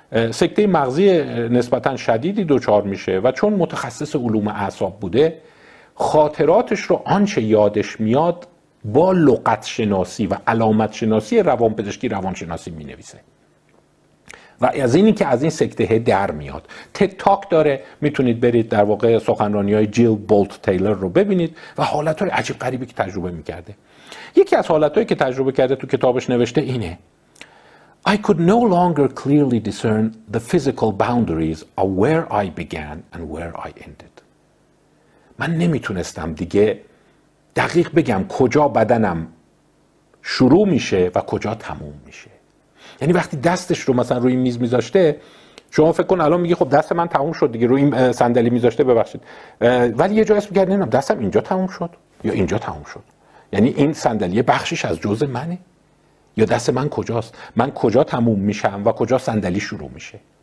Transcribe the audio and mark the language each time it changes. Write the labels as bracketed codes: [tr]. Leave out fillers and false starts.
[fa] سکته مغزی نسبتا شدیدی دچار میشه و چون متخصص علوم اعصاب بوده خاطراتش رو آنچه یادش میاد با لغت شناسی و علامت شناسی روانپزشکی روانشناسی مینویسه و از اینی که از این سکته در میاد. تد تاک داره، میتونید برید در واقع سخنرانی های جیل بولت تیلر رو ببینید و حالت های عجیب غریبی که تجربه میکرده. یکی از حالت هایی که تجربه کرده تو کتابش نوشته اینه: [en] I could no longer clearly discern the physical boundaries of where I began and where I ended. [fa] من نمیتونستم دیگه دقیق بگم کجا بدنم شروع میشه و کجا تموم میشه. یعنی وقتی دستش رو مثلا روی میز میذاشته، شما فکر کن الان میگه خب دست من تموم شد دیگه، روی صندلی میذاشته ببخشید، ولی یه جا اسم گرد نمیدونم دستم اینجا تموم شد یا اینجا تموم شد، یعنی این صندلی بخشش از جزء منه یا دست من کجاست، من کجا تموم میشم و کجا صندلی شروع میشه.